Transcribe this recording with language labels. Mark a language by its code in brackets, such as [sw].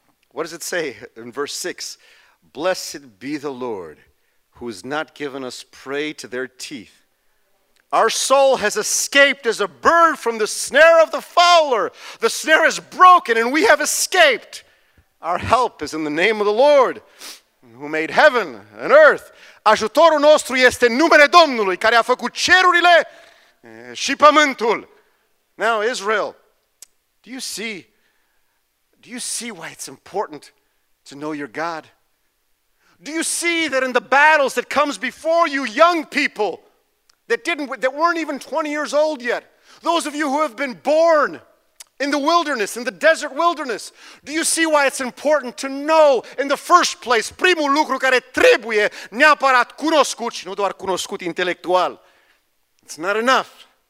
[en] What does it say in verse 6? Blessed be the Lord who has not given us prey to their teeth. Our soul has escaped as a bird from the snare of the fowler. The snare is broken and we have escaped. Our help is in the name of the Lord who made heaven and earth. [ro] Ajutorul nostru este în numele Domnului care a făcut cerurile. [en] Now, Israel, do you see why it's important to know your God? Do you see that in the battles that comes before you, young people that weren't even 20 years old yet, those of you who have been born in the wilderness, in the desert wilderness, do you see why it's important to know in the first place, [ro] primul lucru care trebuie neapărat cunoscut, și nu doar cunoscut intelectual? [en] It's not enough.